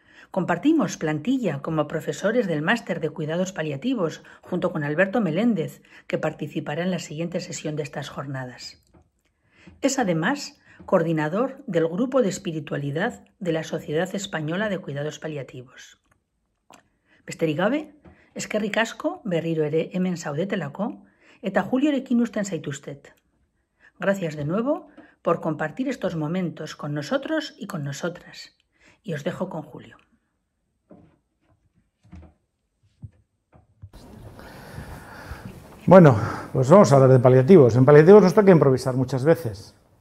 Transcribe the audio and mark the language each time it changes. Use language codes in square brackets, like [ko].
[es] Compartimos plantilla como profesores del Máster de Cuidados Paliativos junto con Alberto Meléndez, que participará en la siguiente sesión de estas jornadas. Es además coordinador del Grupo de Espiritualidad de la Sociedad Española de Cuidados Paliativos. [eu] Besterik gabe, eskerrik asko berriro ere hemen zaudetelako eta Juliorekin uzten zaituztet. [es] Gracias de nuevo por compartir estos momentos con nosotros y con nosotras. Y os dejo con Julio. Bueno, pues vamos a hablar de paliativos. En paliativos nos toca improvisar muchas veces.